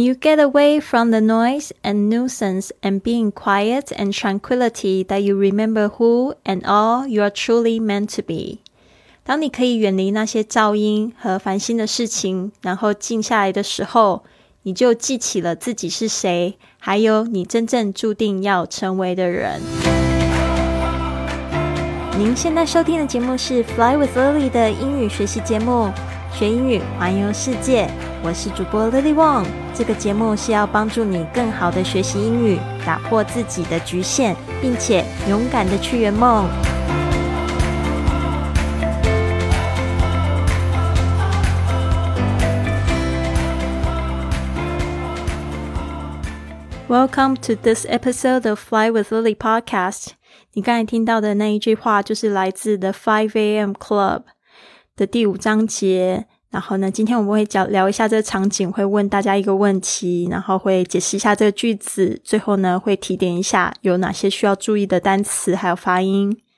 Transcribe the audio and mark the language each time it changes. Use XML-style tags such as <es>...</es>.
<en>You get away from the noise and nuisance and being quiet and tranquility that you remember who and all you are truly meant to be.</en> <zh>当你可以远离那些噪音和烦心的事情，然后静下来的时候，你就记起了自己是谁，还有你真正注定要成为的人。您现在收听的节目是 Fly with Lily 的英语学习节目，学英语环游世界，我是主播 Lily Wong。这个节目是要帮助你更好的学习英语，打破自己的局限，并且勇敢的去圆梦。</zh> <en>Welcome to this episode of Fly with Lily podcast.</en> <zh>你刚才听到的那一句话就是来自 The 5AM Club 的第五章节。然后呢，今天我们会聊一下这个场景，会问大家一个问题，然后会解释一下这个句子，最后呢会提点一下有哪些需要注意的单词还有发音。</zh>